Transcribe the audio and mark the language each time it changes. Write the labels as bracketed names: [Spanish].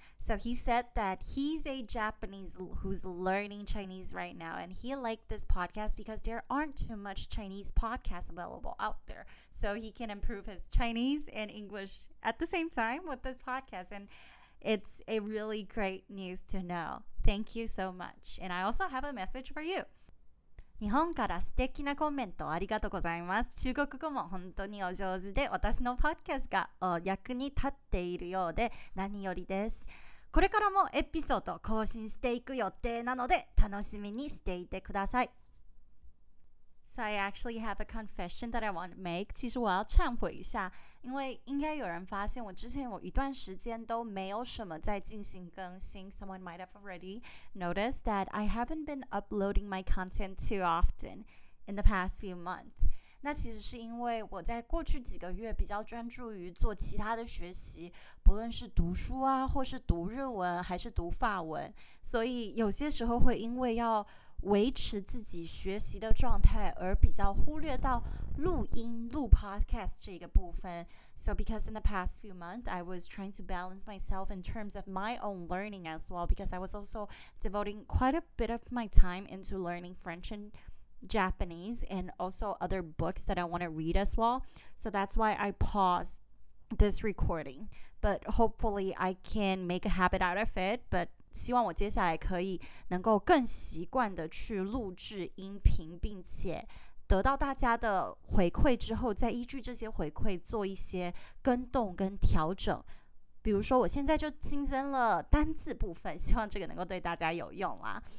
[English] So he said that he's a Japanese who's learning Chinese right now, and he liked this podcast because there aren't too much Chinese podcasts available out there, so he can improve his Chinese and English at the same time with this podcast, andIt's a really great news to know. Thank you so much. And I also have a message for you. [Japanese] 日本から素敵なコメントありがとうございます。中国語も本当にお上手で、私のポッドキャストが役に立っているようで何よりです。これからもエピソード更新していく予定なので、楽しみにしていてください。 [English] So I actually have a confession that I want to make. [Chinese] 其实我要忏悔一下，因为应该有人发现我之前有一段时间都没有什么在进行更新。 [English] Someone might have already noticed that I haven't been uploading my content too often in the past few months. [Chinese] 那其实是因为我在过去几个月比较专注于做其他的学习，不论是读书啊，或是读日文，还是读法文，所以有些时候会因为要维持自己学习的状态而比较忽略到录音录 podcast 这个部分。 [English] So because in the past few months I was trying to balance myself in terms of my own learning as well, because I was also devoting quite a bit of my time into learning French and Japanese and also other books that I want to read as well. So that's why I paused this recording, but hopefully I can make a habit out of it. [Chinese] But希望我接下来可以能够更习惯的去录制音频，并且得到大家的回馈之后，再依据这些回馈做一些跟动跟调整。比如说我现在就新增了单字部分，希望这个能够对大家有用啦。